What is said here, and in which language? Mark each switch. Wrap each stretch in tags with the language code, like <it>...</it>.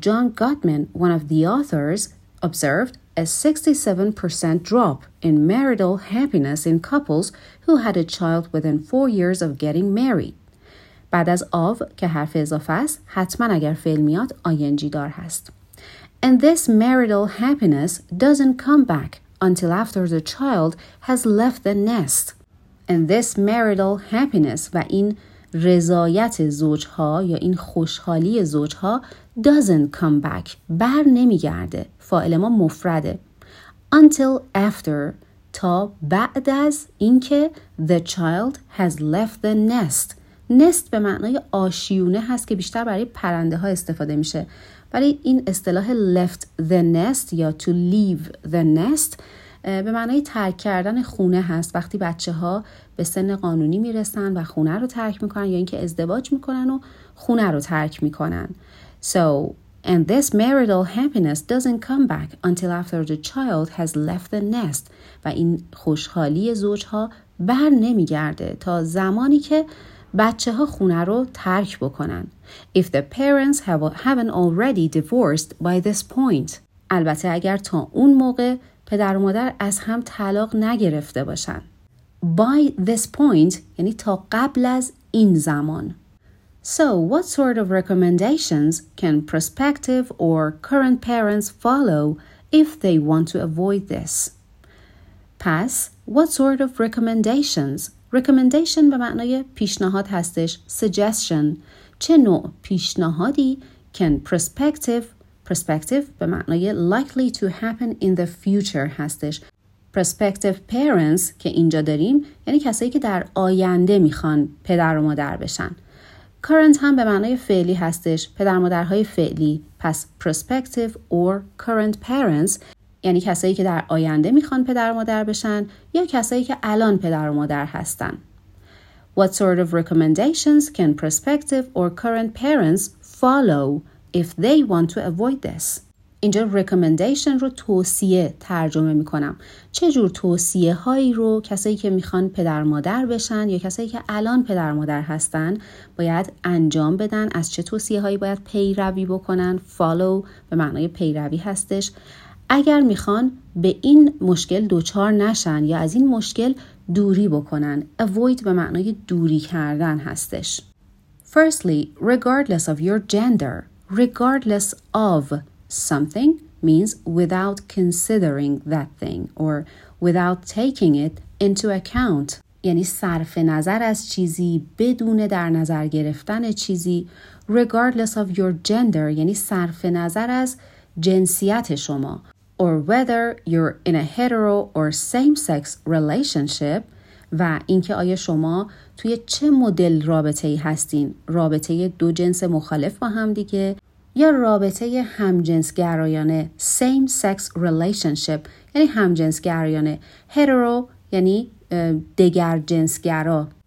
<en>John Gottman, one of the authors, observed a 67% drop in marital happiness in couples who had a child within 4 years of getting married.</en> <fa>بعد از of که حرف اضافه است، حتما اگر فعل میاد ing دار هست.</fa> <en>And this marital happiness doesn't come back until after the child has left the nest. And this marital happiness</en> <fa>و این رضایت زوجها یا این خوشحالی زوجها</fa> <en>doesn't come back،</en> <fa>بر نمیگرده، فاعل ما مفرده،</fa> <en>until after،</en> <fa>تا بعد از اینکه</fa> <en>the child has left the nest.</en> <fa>نست به معنای آشیونه هست که بیشتر برای پرنده ها استفاده میشه، ولی این اصطلاح</fa> <en>left the nest</en> <fa>یا</fa> <en>to leave the nest</en> <fa>به معنای ترک کردن خونه هست. وقتی بچه ها به سن قانونی میرسن و خونه رو ترک میکنن، یا اینکه ازدواج میکنن و خونه رو ترک میکنن.</fa> <en>So, and this marital happiness doesn't come back until after the child has left the nest.</en> <fa>و این خوشحالی زوجها بر نمیگرده تا زمانی که بچه ها خونه رو ترک بکنن.</fa> <en>If the parents haven't already divorced by this point.</en> <fa>البته اگر تا اون موقع پدر و مادر از هم طلاق نگرفته باشن.</fa> <en>By this point</en> <fa>یعنی تا قبل از این زمان.</fa> <en>So what sort of recommendations can prospective or current parents follow if they want to avoid this?</en> <fa>پس</fa> <en>what sort of recommendations?</en> <fa>Recommendation به معنای پیشنهاد هستش.</fa> <en>Suggestion.</en> <fa>چه نوع پیشنهادی</fa> <en>can prospective</en> <fa>به معنای</fa> <en>likely to happen in the future</en> <fa>هستش.</fa> <en>Prospective parents</en> <fa>که اینجا داریم یعنی کسایی که در آینده میخوان پدر و مادر بشن. Current هم به معنای فعلی هستش، پدر مادرهای فعلی. پس</fa> <en>prospective or current parents</en> <fa>یعنی کسایی که در آینده میخوان پدر و مادر بشن یا کسایی که الان پدر و مادر هستن.</fa> <en>What sort of recommendations can prospective or current parents follow if they want to avoid this?</en> <fa>اینجا recommendation رو توصیه ترجمه میکنم. چه جور توصیه هایی رو کسایی که میخوان پدر مادر بشن یا کسایی که الان پدر مادر هستن باید انجام بدن؟ از چه توصیه هایی باید پیروی بکنن؟ follow به معنای پیروی هستش. اگر میخوان به این مشکل دوچار نشن یا از این مشکل دوری بکنن. avoid به معنای دوری کردن هستش.</fa> <en>Firstly, regardless of your gender, regardless of something means without considering that thing or without taking it into account.</en> <fa>یعنی صرف نظر از چیزی، بدون در نظر گرفتن چیزی.</fa> <en>Regardless of your gender</en> <fa>یعنی صرف نظر از جنسیت شما.</fa> <en>Or whether you're in a hetero or same-sex relationship</en> <fa>و اینکه آیا شما توی چه مدل رابطه‌ای هستین؟ رابطه دو جنس مخالف با هم دیگه یا رابطه همجنسگرایانه،</fa> <en>same sex relationship</en> <fa>یعنی همجنسگرایانه، hetero یعنی دیگر جنسگرا.</fa>